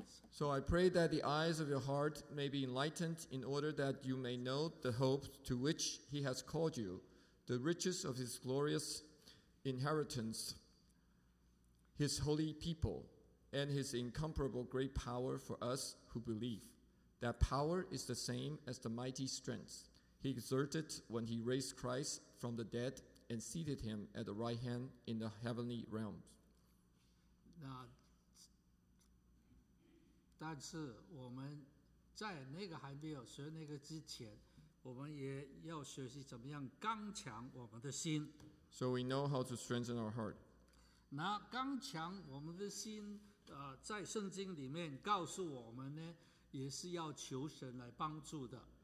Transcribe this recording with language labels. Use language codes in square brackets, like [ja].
[en] So I pray that the eyes of your heart may be enlightened in order that you may know the hope to which he has called you, the riches of his glorious inheritance, his holy people, and his incomparable great power for us who believe. That power is the same as the mighty strength he exerted when he raised Christ from the dead and seated him at the right hand in the heavenly realms. Now, [zh] 但是我们在那个还没有学那个之前，我们也要学习怎么样刚强我们的心。 [en] So we know how to strengthen our heart. [zh] 那刚强我们的心，在圣经里面告诉我们呢，也是要求神来帮助的。